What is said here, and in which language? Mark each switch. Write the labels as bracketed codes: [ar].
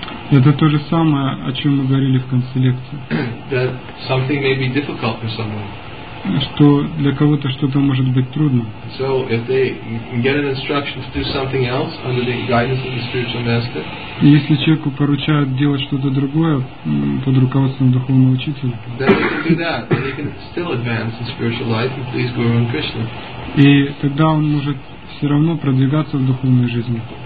[ru] Это то же самое, о чем мы говорили в конце лекции. [en] That something may be difficult for someone. [ru] Что для кого-то что-то может быть трудно. [en] So if they get an instruction to do something else under the guidance of the spiritual master. [ru] Если человеку поручают делать что-то другое под руководством духовного учителя. [en] Then they can do that, and they can still advance in spiritual life and please Guru and Krishna. [ru] И тогда он может все равно продвигаться в духовной жизни.